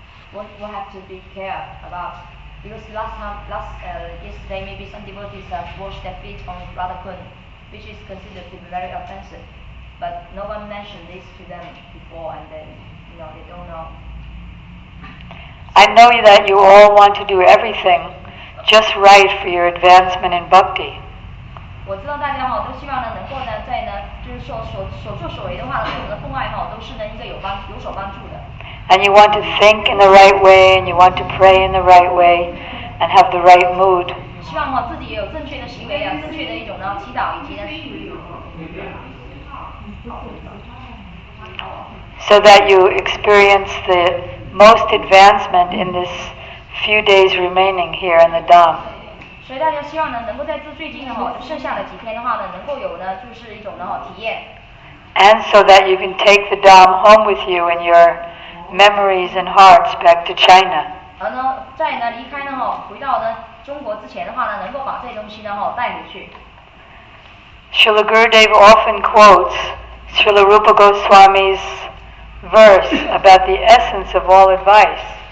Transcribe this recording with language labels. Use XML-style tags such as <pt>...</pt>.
<en>What we have to be care about. Because yesterday maybe some devotees have washed their feet on Brother Kun, which is considered to be very offensive. But no one mentioned this to them before, and then they don't know. I know that you all want to do everything just right for your advancement in bhakti.</en> <zh>我知道大家都希望能够在就是所作所为的话对我们的奉爱都是一个有所帮助的。</zh> <en>And you want to think in the right way, and you want to pray in the right way, and have the right mood.</en> <zh>希望自己也有正确的行为正确的一种祈祷以及</zh> <en>So that you experience the most advancement in this few days remaining here in the Dham.</en> <zh>所以大家希望能够在最近剩下的几天的话能够有就是一种体验。</zh> <en>And so that you can take the Dham home with you in your memories and hearts back to China.</en> <zh>然后在离开回到中国之前的话能够把这些东西带回去。</zh> <en>Srila Gurudev often quotes Srila Rupa Goswami's verse about the essence of all advice.</en>